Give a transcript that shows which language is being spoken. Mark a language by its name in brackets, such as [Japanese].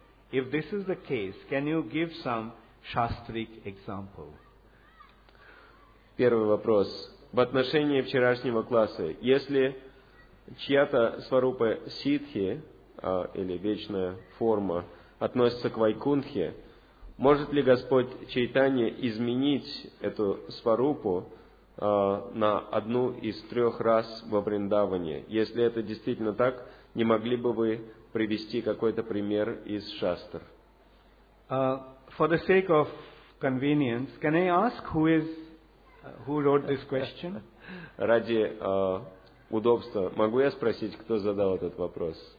[English] If this is the case, can you give some shastric example? [Russian] Первый вопрос. В отношении вчерашнего класса, если чья-то сварупа ситхи, или вечная форма, относится к Вайкунтхе, может ли Господь Чайтанья изменить эту сварупу на одну из трех раз во Вриндаване? Если это действительно так, не могли бы вы привести какой-то пример из шастр? [English] For the sake of convenience, can I ask who wrote this question? [Russian] Ради удобства, могу я спросить, кто задал этот вопрос?